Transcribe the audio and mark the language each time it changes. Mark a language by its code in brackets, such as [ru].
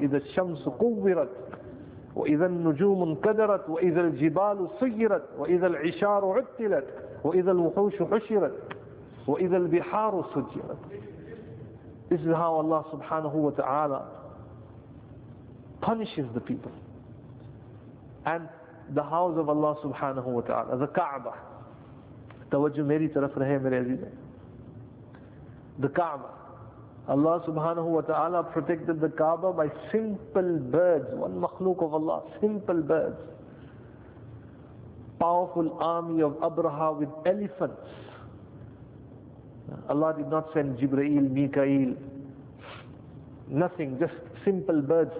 [ar] إِذَا الشَّمْسُ قُوِّرَتْ وَإِذَا النُّجُومُ انْكَدَرَتْ وَإِذَا الْجِبَالُ سُيِّرَتْ وَإِذَا الْعِشَارُ عُطِّلَتْ وَإِذَا الْوُحُوشُ حُشِرَتْ وَإِذَا الْبِحَارُ سُجِّرَتْ. [en] This is how Allah subhanahu wa ta'ala punishes the people. And the house of Allah subhanahu wa ta'ala, the Kaaba. [ur] توجہ میری طرف رہے میری عزیزہ. [en] The Kaaba. Allah subhanahu wa ta'ala protected the Kaaba by simple birds. One makhluk of Allah, simple birds. Powerful army of Abraha with elephants. Allah did not send Jibreel, Mikael. Nothing, just simple birds.